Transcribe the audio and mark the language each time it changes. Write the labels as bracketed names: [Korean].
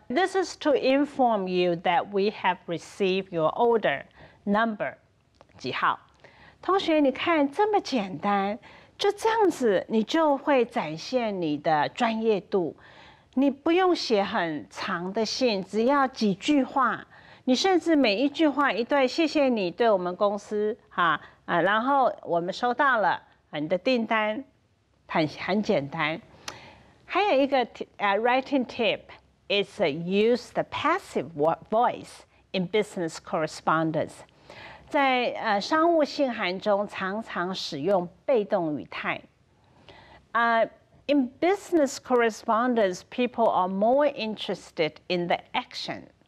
[English] This is to inform you that we have received your order number [Chinese] 几号。同学你看这么简单，就这样子你就会展现你的专业度。你不用写很长的信，只要几句话，你甚至每一句话一段谢谢你对我们公司哈啊，然后我们收到了你的订单，很简单。还有一个 [English] writing tip is use the passive voice in business correspondence. [Chinese] 在商务信函中常常使用被动语态。 [English] In business correspondence, people are more interested in the action.